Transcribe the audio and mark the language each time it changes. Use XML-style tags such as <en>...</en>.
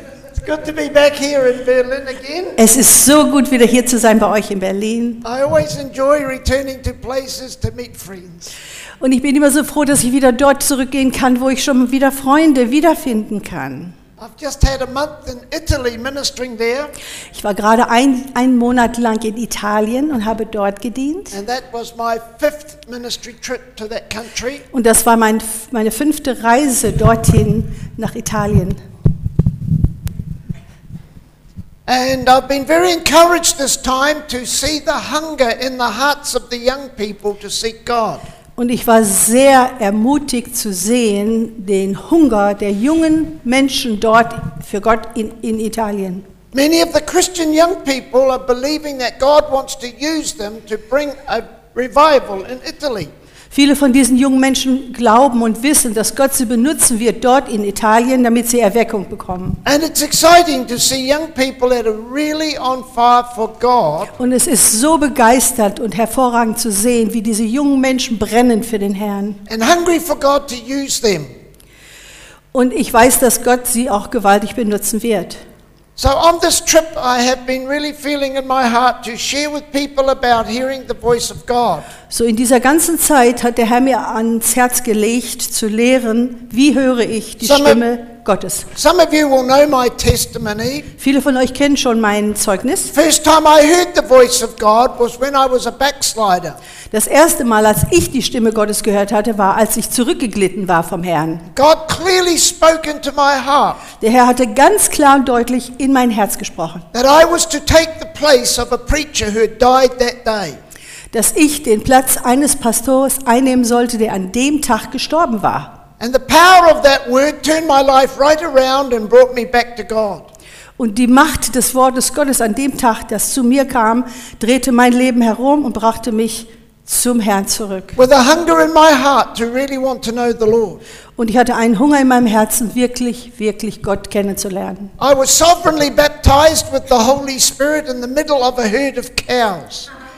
<en>It's good to be back here in Berlin again.</en> <de>Es ist so gut, wieder hier zu sein bei euch in Berlin.</de> <en>I always enjoy returning to places to meet friends.</en> <de>Und ich bin immer so froh, dass ich wieder dort zurückgehen kann, wo ich schon wieder Freunde wiederfinden kann.</de> <en>I've just had a month in Italy ministering there.</en> <de>Ich war gerade einen Monat lang in Italien und habe dort gedient.</de> <en>And that was my fifth ministry trip to that country.</en> <de>Und das war meine fünfte Reise dorthin nach Italien.</de> <en>And I've been very encouraged this time to see the hunger in the hearts of the young people to seek God.</en> <de>Und ich war sehr ermutigt zu sehen den Hunger der jungen Menschen dort für Gott in Italien.</de> <en>Many of the Christian young people are believing that God wants to use them to bring a revival in Italy.</en> <de>Viele von diesen jungen Menschen glauben und wissen, dass Gott sie benutzen wird dort in Italien, damit sie Erweckung bekommen.</de> <en>And it's exciting to see young people that are really on fire for God.</en> <de>Und es ist so begeisternd und hervorragend zu sehen, wie diese jungen Menschen brennen für den Herrn.</de> <en>And hungry for God to use them.</en> <de>Und ich weiß, dass Gott sie auch gewaltig benutzen wird.</de> <en>So on this trip I have been really feeling in my heart to share with people about hearing the voice of God.</en> <de>So in dieser ganzen Zeit hat der Herr mir ans Herz gelegt zu lehren, wie höre ich die Stimme Gottes.</de> <en>Some of you will know my testimony.</en> <de>Viele von euch kennen schon mein Zeugnis.</de> <en>First time I heard the voice of God was when I was a backslider.</en> <de>Das erste Mal, als ich die Stimme Gottes gehört hatte, war, als ich zurückgeglitten war vom Herrn.</de> <en>God clearly spoke into my heart.</en> <de>Der Herr hatte ganz klar und deutlich in mein Herz gesprochen.</de> <en>That I was to take the place of a preacher who had died that day.</en> <de>Dass ich den Platz eines Pastors einnehmen sollte, der an dem Tag gestorben war.</de> <en>And the power of that word turned my life right around and brought me back to God.</en> <de>Und die Macht des Wortes Gottes an dem Tag, das zu mir kam, drehte mein Leben herum und brachte mich zum Herrn zurück.</de> <en>With a hunger in my heart to really want to know the Lord.</en> <de>Und ich hatte einen Hunger in meinem Herzen, wirklich, wirklich Gott kennenzulernen.</de> <en>I was sovereignly baptized with the Holy Spirit in the middle of a herd of cows.</en>